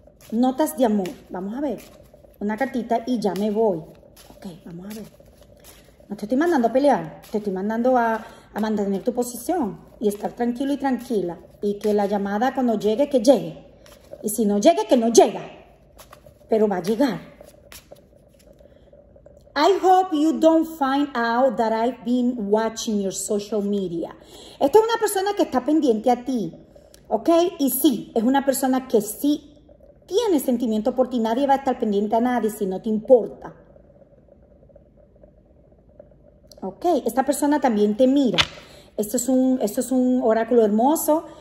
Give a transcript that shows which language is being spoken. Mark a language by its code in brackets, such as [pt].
[es] Notas de amor. Vamos a ver. Una cartita y ya me voy. Ok, vamos a ver. No te estoy mandando a pelear. Te estoy mandando a mantener tu posición y estar tranquilo y tranquila. Y que la llamada cuando llegue, que llegue. Y si no llegue, que no llega. Pero va a llegar. [en] I hope you don't find out that I've been watching your social media. [es] Esta es una persona que está pendiente a ti. ¿Ok? Y sí, es una persona que sí tiene sentimiento por ti. Nadie va a estar pendiente a nadie si no te importa. Ok, esta persona también te mira. Esto es un oráculo hermoso.